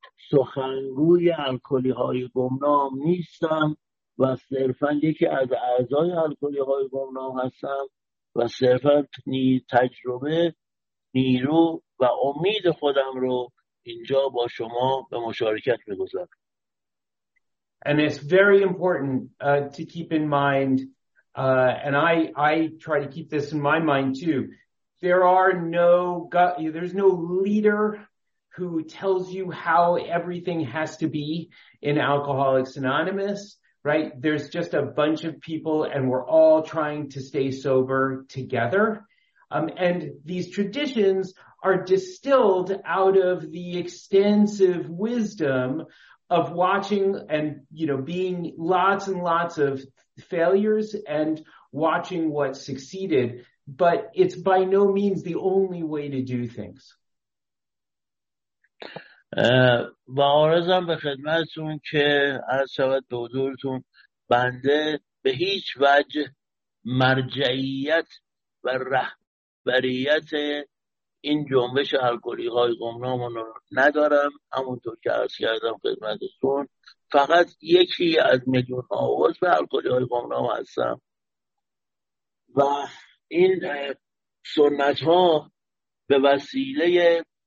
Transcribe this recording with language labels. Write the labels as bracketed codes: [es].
[fa] سخنگوی الکلی های گمنام نیستم و صرفا یکی از اعضای الکلی های گمنام هستم و صرفا تجربه نیرو و امید خودم رو اینجا با شما به مشارکت می‌گذارم. [en] And it's very important to keep in mind, and I try to keep this in my mind too. There's no leader who tells you how everything has to be in Alcoholics Anonymous, right? There's just a bunch of people and we're all trying to stay sober together. And these traditions are distilled out of the extensive wisdom of watching and, you know, being lots and lots of failures and watching what succeeded, but it's by no means the only way to do things. [fa] و عارضم به خدمتتون که از شبت به حضورتون بنده به هیچ وجه مرجعیت و رهبریت این جنبش الکلی های گمنام رو ندارم، همونطور که عرض کردم خدمتتون فقط یکی از میلیون‌ها عضو الکلی های گمنام هستم و این سنت ها به وسیله